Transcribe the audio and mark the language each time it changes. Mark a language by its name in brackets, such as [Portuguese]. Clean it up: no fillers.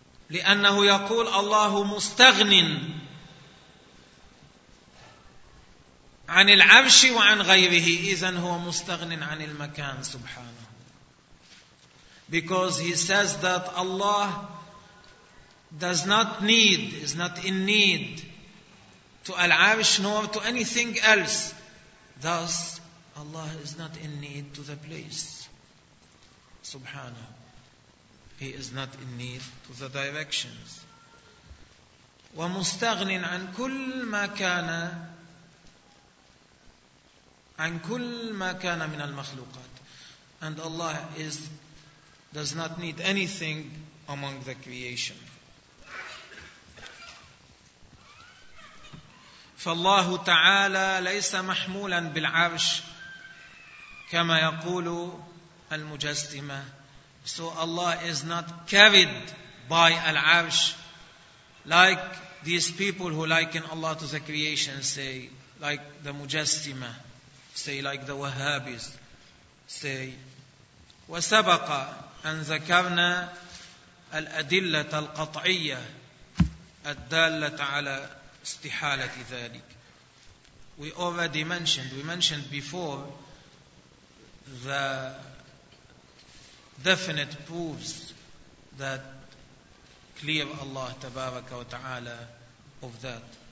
[Arabic] لأنه يقول الله مستغن عن العرش وعن غيره، إذن هو مستغن عن المكان سبحانه. [English] Because he says that Allah does not need, is not in need to Al-Arsh nor to anything else. Thus, Allah is not in need to the place. Subhanahu. He is not in need to the directions. [Arabic] وَمُسْتَغْنٍ عَنْ كُلْ مَا كَانَ عَنْ كُلْ مَا كَانَ مِنَ الْمَخْلُوقَاتِ. [English] And Allah is does not need anything among the creation. [Arabic] فالله تعالى ليس محمولا بالعرش كما يقول المجسمة. [English] So Allah is not carried by العرش like these people who liken Allah to the creation, say like the Mujassima, say like the Wahhabis, say. [Arabic] وسبق أن ذكرنا الأدلة القطعية الدالة على استحالة ذلك. [English] We mentioned before the definite proofs that clear Allah تبارك وتعالى of that.